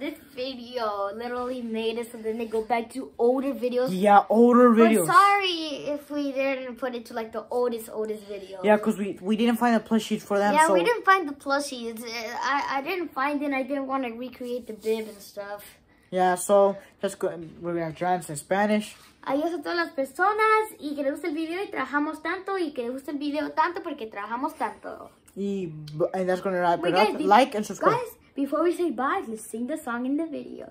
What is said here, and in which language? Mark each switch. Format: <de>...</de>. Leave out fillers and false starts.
<en>This video literally made us and then they go back to older videos. Yeah, older videos. We're sorry if we didn't put it to like the oldest video. Yeah, because we didn't find the plushies for them. Yeah, so we didn't find the plushies. I didn't find it. I didn't want to recreate the bib and stuff. Yeah, so let's go. We have drums in Spanish.</en> <es>Adiós a todas las personas y que les guste el video y trabajamos tanto y que les guste el video tanto porque trabajamos tanto.</es> <en>And that's gonna wrap it up. Like and subscribe. Guys, before we say bye, let's sing the song in the video.</en>